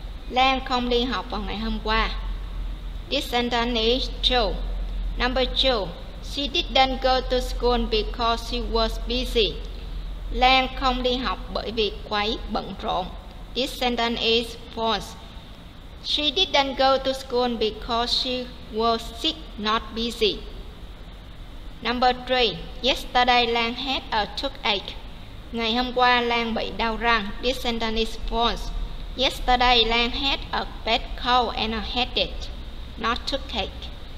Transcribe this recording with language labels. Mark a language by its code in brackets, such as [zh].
[vi] Lan không đi học vào ngày hôm qua. [en] This sentence is true. Number 2. She didn't go to school because she was busy. [vi] Lan không đi học bởi vì quá bận rộn. [en] This sentence is false. She didn't go to school because she was sick, not busy. Number 3. Yesterday Lan had a toothache. [vi] Ngày hôm qua Lan bị đau răng. [en] This sentence is false. Yesterday Lan had a bad cold and a headache, not toothache.